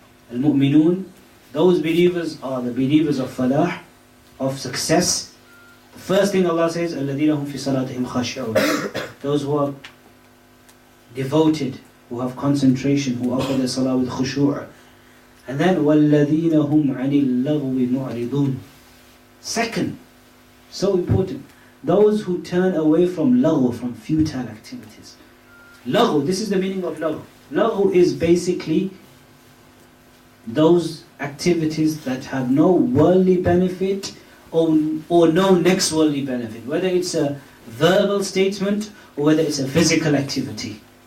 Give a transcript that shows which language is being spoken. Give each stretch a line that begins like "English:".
Arabic: المؤمنون.
English: Those believers are the believers of falah, of success. The first thing Allah says,
Arabic: الَّذِينَ هُمْ فِي صَلَاتِهِمْ خَاشِعُونَ.
English: Those who are devoted, who have concentration, who offer their salah with khushu'. And then,
Arabic: وَالَّذِينَ هُمْ عَنِ اللَّغْوِ مُعْرِضُونَ.
English: Second, so important, those who turn away from lagh, from futile activities. Lagh, this is the meaning of lagh. Lagh is basically those activities that have no worldly benefit or no next worldly benefit, whether it's a verbal statement or whether it's a physical activity.